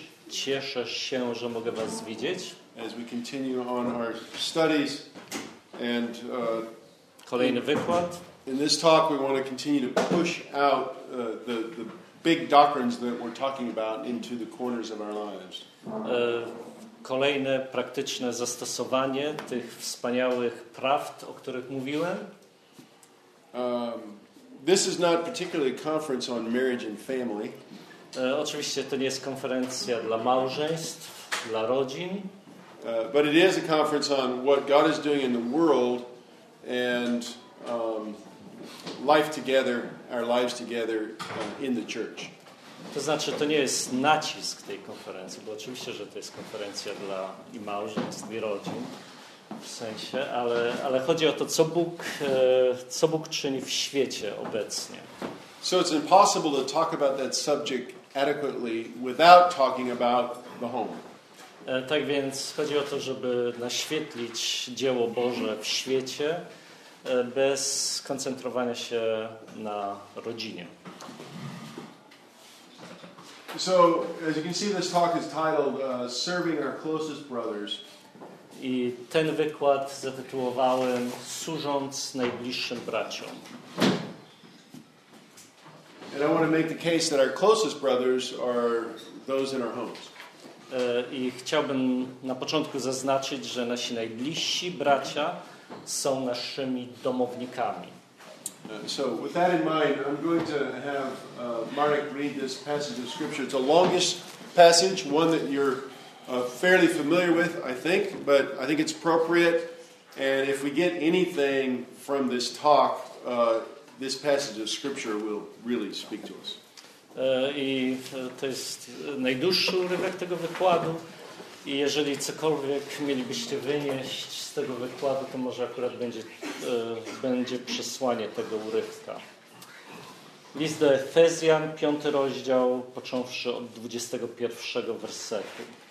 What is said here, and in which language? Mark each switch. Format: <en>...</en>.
<pl>Cieszę się, że mogę was widzieć.</pl> <en>As we continue on our studies and</en> <pl>kolejny wykład.</pl> <en>In this talk we want to continue to push out the big doctrines that we're talking about into the corners of our lives.</en> <pl>Kolejne praktyczne zastosowanie tych wspaniałych prawd, o których mówiłem.</pl> <en>This is not particularly a conference on marriage and family.</en> <pl>Oczywiście to nie jest konferencja dla małżeństw, dla rodzin.</pl> <en>But it is a conference on what God is doing in the world and life together, our lives together in the church.</en> <pl>To znaczy, to nie jest nacisk tej konferencji, bo oczywiście, że to jest konferencja dla i małżeństw, i rodzin. W sensie, ale chodzi o to, co Bóg czyni w świecie obecnie.</pl> <en>So it's impossible to talk about that subject adequately without talking about the home.</en> <pl>Tak więc chodzi o to, żeby naświetlić dzieło Boże w świecie bez koncentrowania się na rodzinie.</pl> <en>So as you can see, this talk is titled Serving Our Closest Brothers.</en> <pl>I ten wykład zatytułowałem Służąc najbliższym braciom.</pl> <en>And I want to make the case that our closest brothers are those in our homes.</en> <pl>I chciałbym na początku zaznaczyć, że nasi najbliżsi bracia są naszymi domownikami.</pl> <en>So with that in mind, I'm going to have Marek read this passage of scripture. It's a longest passage, one that you're fairly familiar with, I think, but I think it's appropriate. And if we get anything from this talk, this passage of scripture will really speak to us.</en> <pl>I to jest najdłuższy urywek tego wykładu. I jeżeli cokolwiek mielibyście wynieść z tego wykładu, to może akurat będzie przesłanie tego urywka. List do Efezjan, 5 rozdział, począwszy od 21 wersetu.</pl>